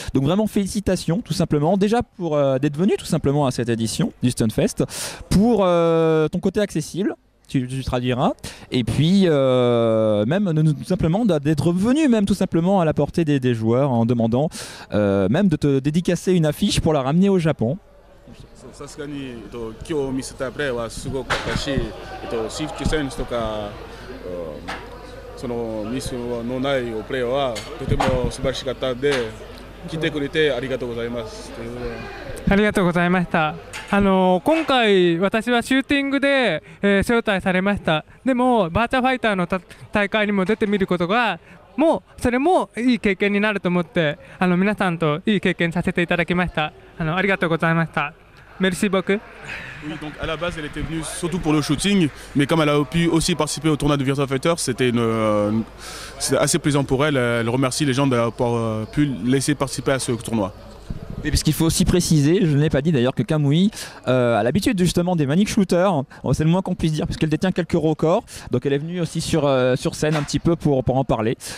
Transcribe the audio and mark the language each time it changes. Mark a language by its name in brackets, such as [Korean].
[French] Donc vraiment félicitations tout simplement déjà pour d'être venu tout simplement à cette édition du Stunfest, pour ton côté accessible, tu traduiras, et puis même tout simplement d'être venu même tout simplement à la portée des joueurs en demandant même de te dédicacer une affiche pour la ramener au Japon. [Japanese] さすがに今日見せたプレーはすごかったし、シフト選手とかそのミスのないおプレーはとても素晴らしかったので来てくれてありがとうございます。ありがとうございました。今回私はシューティングで、招待されました。でもバーチャファイターの大会にも出てみることがもうそれもいい経験になると思って、皆さんといい経験させていただきました。ありがとうございました。 [French] Merci beaucoup. Oui, donc à la base, elle était venue surtout pour le shooting, mais comme elle a pu aussi participer au tournoi de Virtua Fighter, c'était assez plaisant pour elle. Elle remercie les gens d'avoir pu laisser participer à ce tournoi. Mais puisqu'il faut aussi préciser, je n'ai pas dit d'ailleurs que Kamui a l'habitude justement des Manic Shooters, c'est le moins qu'on puisse dire, puisqu'elle détient quelques records, donc elle est venue aussi sur scène un petit peu pour en parler.